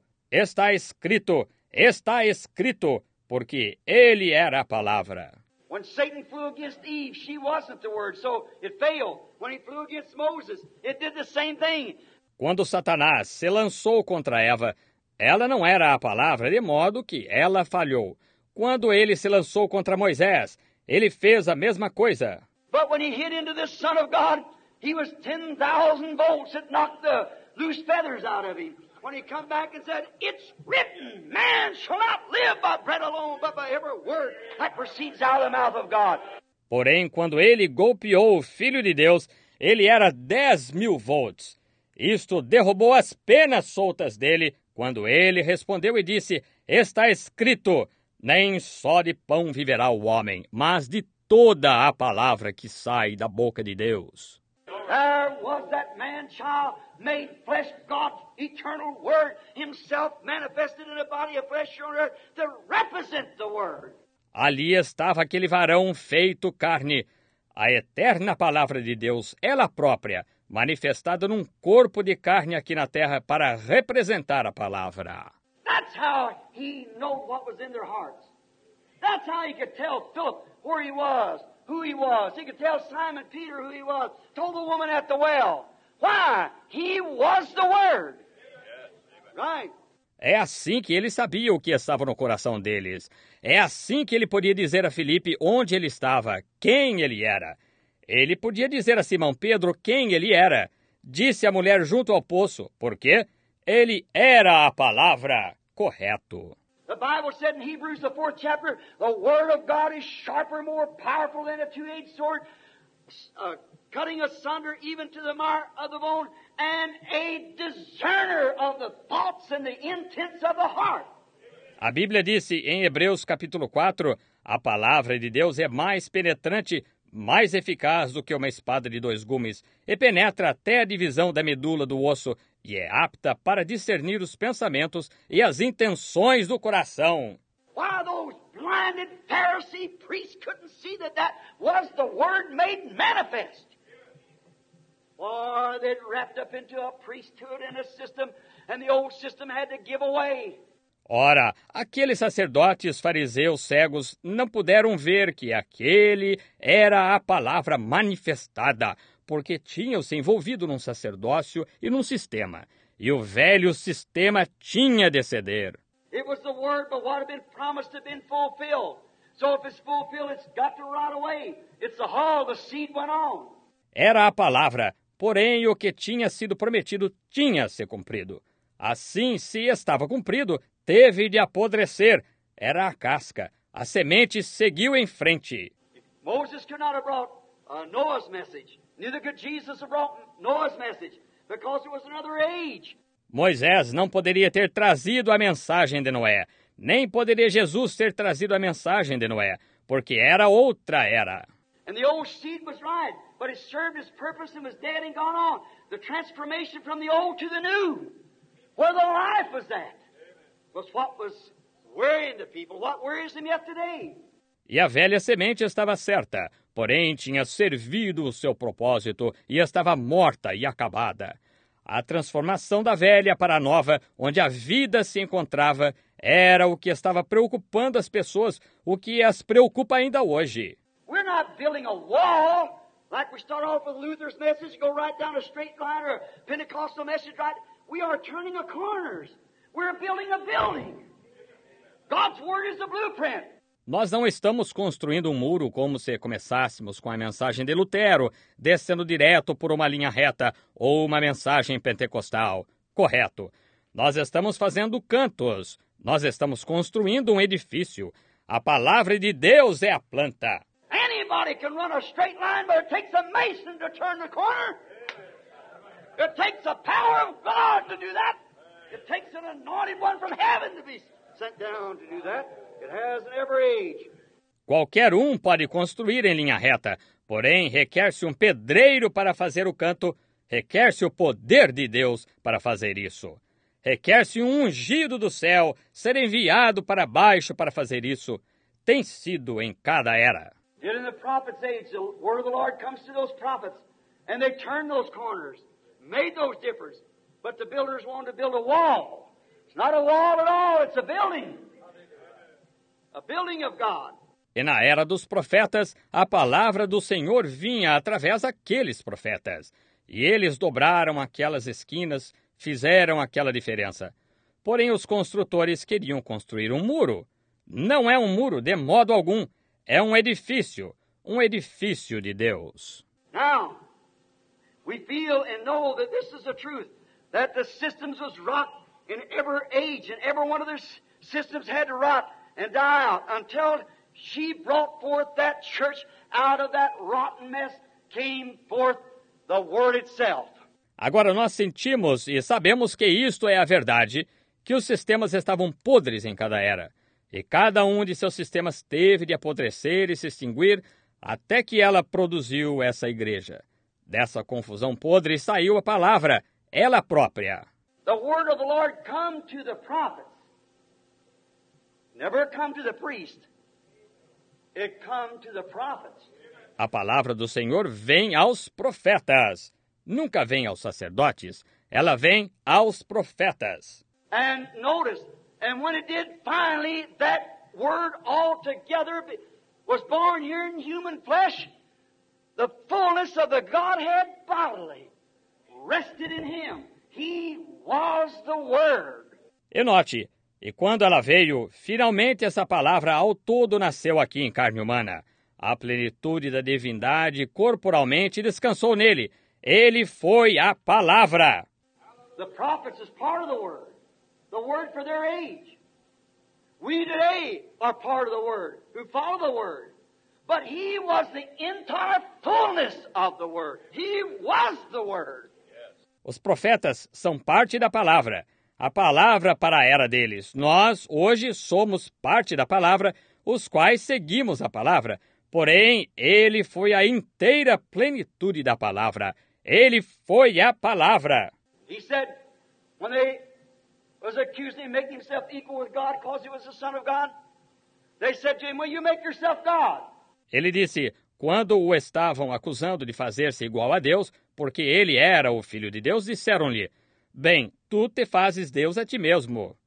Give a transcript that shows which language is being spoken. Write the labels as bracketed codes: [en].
[pt] Está escrito, está escrito, porque ele era a palavra. [en] When Satan flew against Eve, she wasn't the word, so it failed. When he flew against Moses, it did the same thing. [pt] Quando Satanás se lançou contra Eva, ela não era a palavra, de modo que ela falhou. Quando ele se lançou contra Moisés, ele fez a mesma coisa. [en] But when he hit into the Son of God, he was 10,000 volts that knocked the loose feathers out of him. When he come back and said, it's written, man shall not live by bread alone, but by every word that proceeds out of the mouth of God. [pt] Porém, quando ele golpeou o Filho de Deus, ele era 10,000 volts. Isto derrubou as penas soltas dele, quando ele respondeu e disse, está escrito, nem só de pão viverá o homem, mas de toda a palavra que sai da boca de Deus. [en] There was that man-child made flesh, God's eternal word, himself manifested in a body of flesh on earth to represent the word. [pt] Ali estava aquele varão feito carne, a eterna palavra de Deus, ela própria, manifestada num corpo de carne aqui na terra para representar a palavra. [en] That's how he knew what was in their hearts. That's how he could tell Philip where he was. Who he was. He could tell Simon Peter who he was. Told the woman at the well. Why? He was the word. Right? [pt] É assim que ele sabia o que estava no coração deles. É assim que ele podia dizer a Filipe onde ele estava, quem ele era. Ele podia dizer a Simão Pedro quem ele era. Disse a mulher junto ao poço, porque ele era a palavra. Correto. [en] The Bible said in Hebrews, the 4th chapter, the word of God is sharper, more powerful than a two-edged sword, cutting asunder even to the marrow of the bone, and a discerner of the thoughts and the intents of the heart. [pt] A Bíblia disse em Hebreus capítulo 4, a palavra de Deus é mais penetrante, mais eficaz do que uma espada de dois gumes, e penetra até a divisão da medula do osso, e é apta para discernir os pensamentos e as intenções do coração. [en] Why those blinded Pharisee priests couldn't see that that was the word made manifest. Or they'd wrapped up into a priesthood and a system, and the old system had to give away. [pt] Ora, aqueles sacerdotes fariseus cegos não puderam ver que aquele era a palavra manifestada, porque tinham se envolvido num sacerdócio e num sistema, e o velho sistema tinha de ceder. [en] It was the word, but what had been promised had been fulfilled. So if it's fulfilled, it's got to rot away. It's the hull, the seed went on. [pt] Era a palavra, porém o que tinha sido prometido tinha se cumprido. Assim, se estava cumprido, teve de apodrecer. Era a casca. A semente seguiu em frente. [en] Moses could not have brought Noah's message. Neither could Jesus have brought Noah's message, because it was another age. [pt] Moisés não poderia ter trazido a mensagem de Noé, nem poderia Jesus ter trazido a mensagem de Noé, porque era outra era. [en] And the old seed was right, but it served its purpose and was dead and gone on. The transformation from the old to the new. Where the life was at. Was what was worrying the people, what worries them yet today. [pt] E a velha semente estava certa, porém tinha servido o seu propósito e estava morta e acabada. A transformação da velha para a nova, onde a vida se encontrava, era o que estava preocupando as pessoas, o que as preocupa ainda hoje. [en] We're not building a wall like we start off with Luther's message, go right down a straight line or Pentecostal message, right? We are turning a corners. We're building a building. God's word is the blueprint. [pt] Nós não estamos construindo um muro como se começássemos com a mensagem de Lutero, descendo direto por uma linha reta ou uma mensagem pentecostal. Correto. Nós estamos fazendo cantos. Nós estamos construindo um edifício. A palavra de Deus é a planta. [en] Anybody can run a straight line, but it takes a mason to turn the corner. It takes the power of God to do that. It takes an anointed one from heaven to be sent down to do that. It has an every age. [pt] Qualquer um pode construir em linha reta, porém requer-se um pedreiro para fazer o canto, requer-se o poder de Deus para fazer isso. Requer-se um ungido do céu ser enviado para baixo para fazer isso. Tem sido em cada era. [en] Yet in the prophets' age, the word of the Lord comes to those prophets, and they turned those corners, made those differences. But the builders wanted to build a wall. It's not a wall at all, it's a building. A building of God. [pt] E na era dos profetas, a palavra do Senhor vinha através daqueles profetas. E eles dobraram aquelas esquinas, fizeram aquela diferença. Porém, os construtores queriam construir um muro. Não é um muro, de modo algum. É um edifício de Deus. [en] Now, we feel and know that this is the truth. That the systems was rocked in every age, and every one of their systems had to rot and die out until she brought forth that church out of that rotten mess, came forth the word itself. [pt] Agora nós sentimos e sabemos que isto é a verdade, que os sistemas estavam podres em cada era, e cada um de seus sistemas teve de apodrecer e se extinguir até que ela produziu essa igreja. Dessa confusão podre saiu a palavra. Ela própria. [en] The word of the Lord come to the prophets. Never come to the priest. It come to the prophets. [pt] A palavra do Senhor vem aos profetas. Nunca vem aos sacerdotes. Ela vem aos profetas. [en] And notice, and when it did finally, that word altogether was born here in human flesh, the fullness of the Godhead bodily. Rested in him. He was the word. [pt] E note, e quando ela veio, finalmente essa palavra ao todo nasceu aqui em carne humana. A plenitude da divindade corporalmente descansou nele. Ele foi a palavra. [en] The prophets is part of the word. The word for their age. We today are part of the word, who follow the word. But he was the entire fullness of the Word. He was the Word. [pt] Os profetas são parte da palavra. A palavra para a era deles. Nós, hoje, somos parte da palavra, os quais seguimos a palavra. Porém, ele foi a inteira plenitude da palavra. Ele foi a palavra. [en] He said, when they was accused of making himself equal with God, because he was the Son of God, they said to him, well, you make yourself God. [pt] Ele disse, quando o estavam acusando de fazer-se igual a Deus, porque ele era o Filho de Deus, disseram-lhe, bem, tu te fazes Deus a ti mesmo.